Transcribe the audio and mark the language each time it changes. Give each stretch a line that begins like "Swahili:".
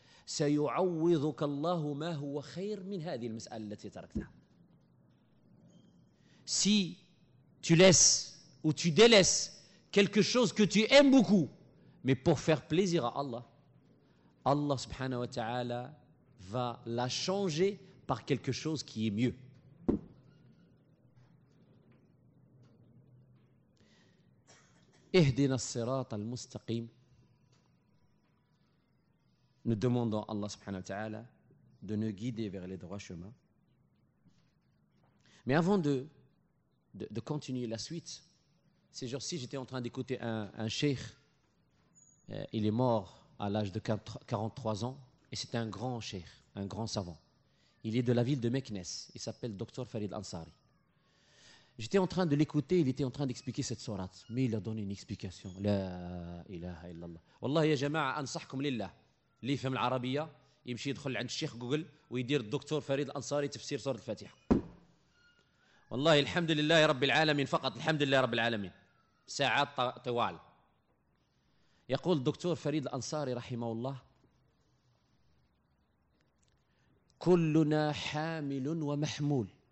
Arabic: سيعوضك الله ما هو خير من هذه المسألة التي تركتها.
French: Si tu laisses ou tu délaisses quelque chose que tu aimes beaucoup, mais pour faire plaisir à Allah, Allah subhanahu wa ta'ala va la changer par quelque chose qui est mieux.
Arabic: اهدنا الصراط المستقيم.
French: Nous demandons à Allah subhanahu wa ta'ala de nous guider vers les droits chemins. Mais avant de continuer la suite, ces jours-ci, j'étais en train d'écouter un cheikh. Il est mort à l'âge de 43 ans et c'est un grand cheikh, un grand savant. Il est de la ville de Meknes. Il s'appelle Dr. Farid Ansari. J'étais en train de l'écouter, il était en train d'expliquer cette sourate. Mais il a donné une explication.
Arabic: La ilaha illallah. Wallahi ya jama'a ansahkum lillah. اللي يفهم العربية يمشي يدخل عند الشيخ جوجل ويدير الدكتور فريد الأنصاري تفسير سورة الفاتحة. والله الحمد لله رب العالمين، فقط الحمد لله رب العالمين. ساعات طوال. يقول الدكتور فريد الأنصاري رحمه الله: كلنا حامل ومحمول.